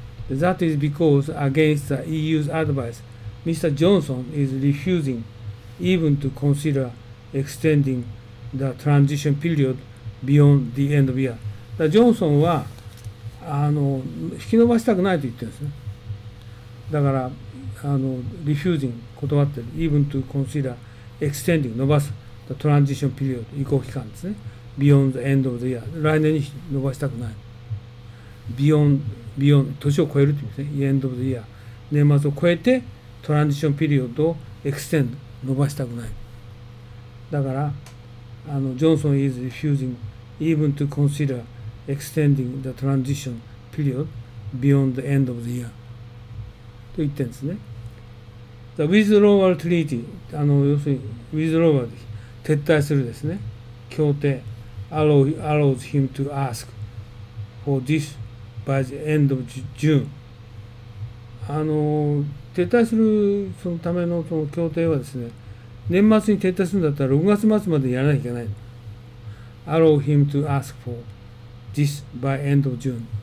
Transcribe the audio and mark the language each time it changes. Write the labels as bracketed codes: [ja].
[en] That is because against the EU's advice, Mr. Johnson is refusing even to consider extending the transition period beyond the end of year. [ja] だジョンソンはあの引き延ばしたくないと言ってるんですね。 [en] だからあの refusing [ja] 断ってる。 [en] Even to consider extending [ja] 伸ばす [en] the transition period [ja] 移行期間ですね。 [en] Beyond the end of the year [ja] 来年に伸ばしたくない。 [en] Beyond [ja] 年を超えるって言うんですね。 [en] End of the year [ja] 年末を超えてトランジションピリオドを extend 伸ばしたくない。だからあのジョンソン [en] is refusing even to consider extending the transition period beyond the end of the year [ja] と言ってんですね。 [en] The withdrawal treaty [ja] あの要するに [en] withdrawal [ja] 撤退するですね。 [en] 協定 allows him to ask for this by the end of June。 [ja] あの撤退するそのためのその協定はですね、年末に撤退するんだったら6月末までやらなきゃいけない。 [en] Allow him to ask for this by end of June。